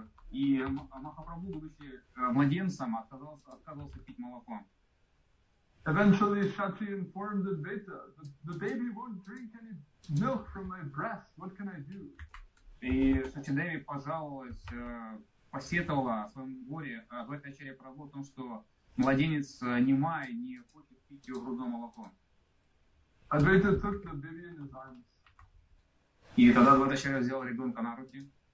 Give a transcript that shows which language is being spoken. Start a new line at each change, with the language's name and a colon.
Russian: И Махапрабху, будучи младенцем, отказался пить молоко.
English: Eventually, Shachi informed Advaita that the baby won't drink any milk from my breast. What can I do?
Russian: И Шачидеви пожаловалась, посетовала о своем горе, об этой Ачарья Прабху, о том, что младенец немай, не хочет пить ее грудное молоко.
English: Advaita took the baby in his arms.
Russian: И тогда Advaita Ачарья взял ребенка на руки.